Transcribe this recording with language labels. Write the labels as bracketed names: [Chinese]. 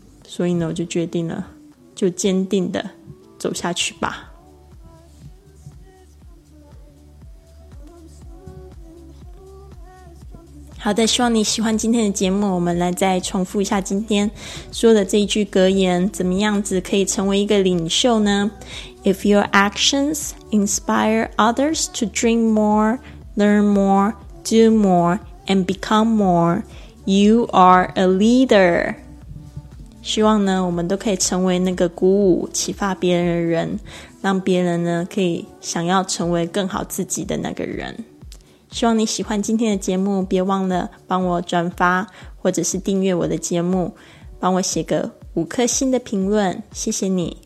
[Chinese] 所以呢我就决定了就坚定的走下去吧。好的，希望你喜欢今天的节目。我们来再重复一下今天说的这一句格言，怎么样子可以成为一个领袖呢？ [English] If your actions inspire others to dream more, learn more, do more, and become more, you are a leader. [Chinese] 希望呢我们都可以成为那个鼓舞启发别人的人，让别人呢可以想要成为更好自己的那个人。希望你喜欢今天的节目，别忘了帮我转发或者是订阅我的节目，帮我写个5颗星的评论，谢谢你。